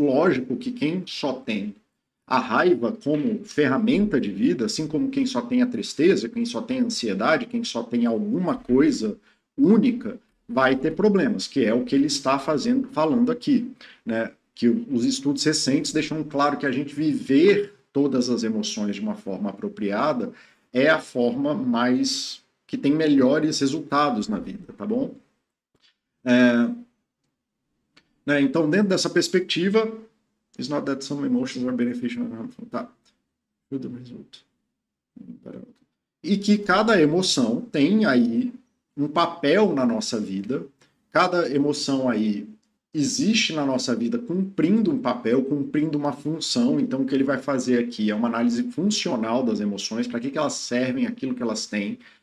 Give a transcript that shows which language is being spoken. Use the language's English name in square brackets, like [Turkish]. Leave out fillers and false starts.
[Portuguese] Lógico que quem só tem a raiva como ferramenta de vida, assim como quem só tem a tristeza, quem só tem a ansiedade, quem só tem alguma coisa única, vai ter problemas, que é o que ele está fazendo, falando aqui, né? Que os estudos recentes deixam claro que a gente viver todas as emoções de uma forma apropriada é a forma mais que tem melhores resultados na vida, tá bom? Né, então, dentro dessa perspectiva, [English] it's not that some emotions are beneficial and harmful. Tá. Good result. [Portuguese] E que cada emoção tem aí um papel na nossa vida, cada emoção aí existe na nossa vida cumprindo um papel, cumprindo uma função. Então, o que ele vai fazer aqui é uma análise funcional das emoções, para que que elas servem, aquilo que elas têm.